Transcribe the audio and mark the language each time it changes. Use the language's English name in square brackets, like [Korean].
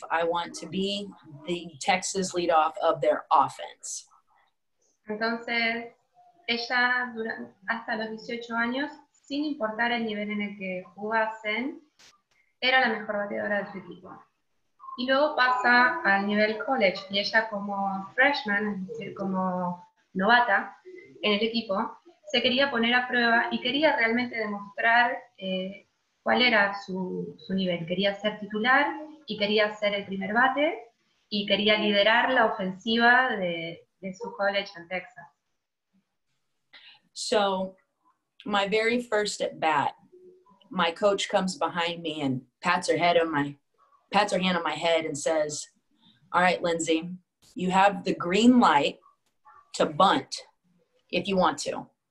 [English] I want to be the Texas lead off of their offense. [Spanish] Entonces, ella hasta los 18 años, sin importar el nivel en el que jugasen, era la mejor bateadora de su equipo. Y luego pasa al nivel college y ella como freshman, es decir, como novata en el equipo, se quería poner a prueba y quería realmente demostrar cuál era su nivel. Quería ser titular y quería ser el primer bate y quería liderar la ofensiva de su college en Texas. [English] So, my very first at bat, my coach comes behind me and pats her hand on my head and says, "All right, Lindsay, you have the green light to bunt if you want to.